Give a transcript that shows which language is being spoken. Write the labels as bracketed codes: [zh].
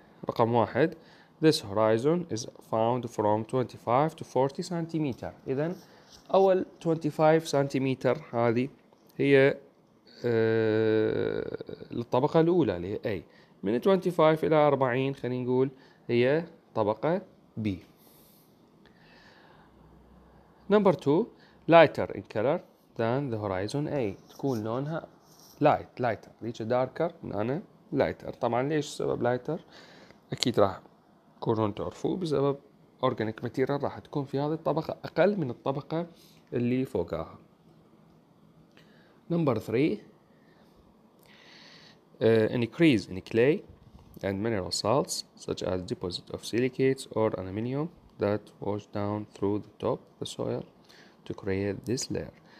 [ar] رقم واحد، [en] this horizon is found from 25 to 40 centimeter. [ar] إذا أول 25 سنتيمتر هذه هي الطبقة الأولى اللي هي A. من 25 إلى 40 خلينا نقول هي طبقة B. [en] Number two, lighter in color than the horizon A. [ar] تكون لونها lighter. ليش darker؟ أنا lighter. طبعاً ليش سبب lighter؟ أكيد راح تكونون تعرفوا بسبب organic material راح تكون في هذه الطبقة أقل من الطبقة اللي فوقها. [en] Number three. increase in clay and mineral salts such as deposit of silicates or aluminium that wash down through the top of the soil to create this layer.